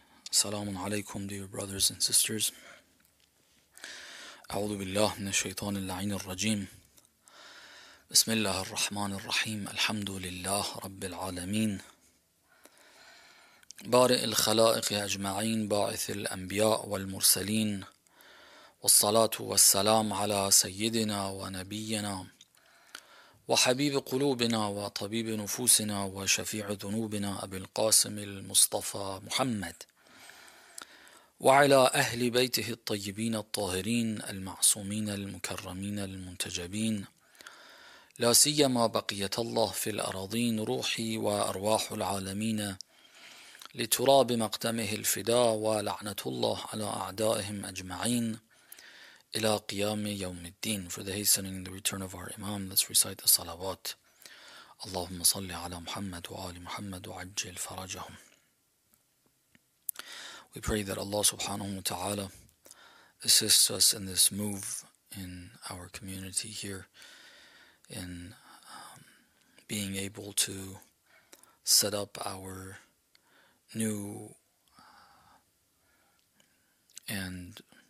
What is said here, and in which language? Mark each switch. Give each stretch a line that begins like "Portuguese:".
Arabic: السلام عليكم
English: dear brothers and sisters.
Arabic: أعوذ بالله من الشيطان اللعين الرجيم. بسم الله الرحمن الرحيم. الحمد لله رب العالمين، بارئ الخلائق أجمعين، باعث الأنبياء والمرسلين، والصلاة والسلام على سيدنا ونبينا وحبيب قلوبنا وطبيب نفوسنا وشفيع ذنوبنا أبي القاسم المصطفى محمد، وعلى أهل بيته الطيبين الطاهرين المعصومين المكرمين المنتجبين، لا سيما بقية الله في الأراضين روحي وأرواح العالمين لتراب مقدمه الفداء، ولعنة الله على أعدائهم أجمعين إلى قيام يوم الدين.
English: For the hastening the return of our Imam, let's recite the salawat.
Arabic: اللهم صل على محمد وآل محمد وعجل فرجهم.
English: We pray that Allah subhanahu wa ta'ala assists us in this move in our community here, in being able to set up our new and